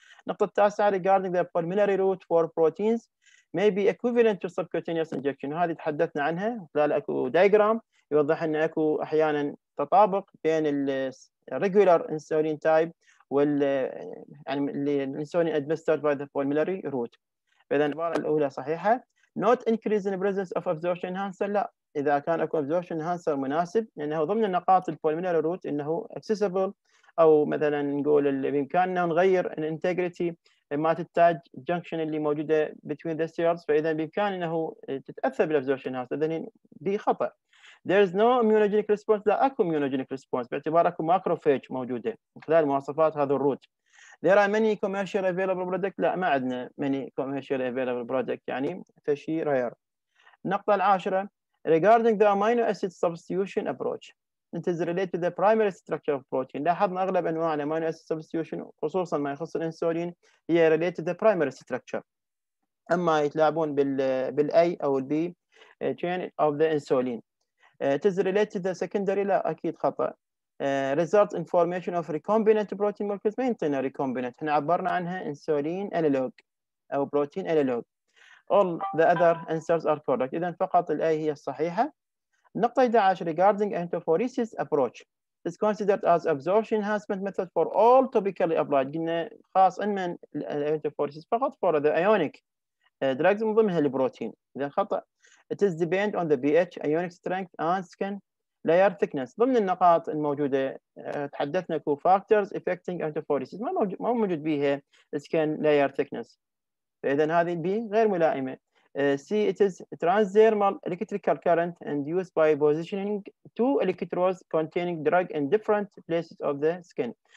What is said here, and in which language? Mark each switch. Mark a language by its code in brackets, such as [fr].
[ar] نقطة التاسعة [en] regarding the pulmonary route for proteins may be equivalent to subcutaneous injection. [ar] هذه تحدثنا عنها، خلال اكو diagram يوضح ان اكو احيانا تطابق بين ال [en] regular insulin type [ar] وال يعني ال [en] insulin administered by the pulmonary route. [ar] إذا العبارة الأولى صحيحة. [en] Not increase in the presence of absorption enhancer. [ar] لا، إذا كان أكو absorption enhancer مناسب، لأنه ضمن النقاط البوليمينال روت إنه accessible، أو مثلا نقول بإمكاننا نغير ال integrity مات التاج junction اللي موجودة [en] between the cells، [ar] فإذا بإمكان إنه تتأثر بال absorption enhancer، إذا دي خطأ. [en] There is no immunogenic response. [ar] لا أكو immunogenic response باعتبار أكو macrophage موجودة من خلال مواصفات هذا الروت. [en] There are many commercially available products. [ar] لا ما عندنا [en] many commercially available products [ar] يعني فشي [en] rare. [ar] النقطة العاشرة [en] regarding the amino acid substitution approach. It is related to the primary structure of protein. [ar] لاحظنا أغلب أنواع amino acid substitution خصوصا ما يخص الإنسولين هي [en] related to the primary structure. [ar] أما يتلاعبون بال A أو ال B [en] chain of the insulin. It is related to the secondary. [ar] لا أكيد خطأ. [en] Results information of recombinant protein molecules. [ar] ما ينطينا [en] recombinant. [ar] احنا عبرنا عنها insulin analog أو protein analog. [en] All the other answers are correct. [ar] إذن فقط الـ A هي الصحيحة. النقطة 11 [en] regarding enterophoresis approach. It's considered as absorption enhancement method for all topically applied. [ar] قلنا خاص من enterophoresis فقط [en] for the ionic drugs [ar] من ضمنها البروتين. إذن خطأ. [en] It is depend on the pH, ionic strength, and skin layer thickness. [ar] ضمن النقاط الموجودة تحدثنا كو [en] factors affecting enterophoresis. [ar] ما موجود بها [en] skin layer thickness. [ar] فإذا هذه B غير ملائمة. [en] C, it is transdermal electrical current induced by positioning two electrodes containing drug in different places of the skin.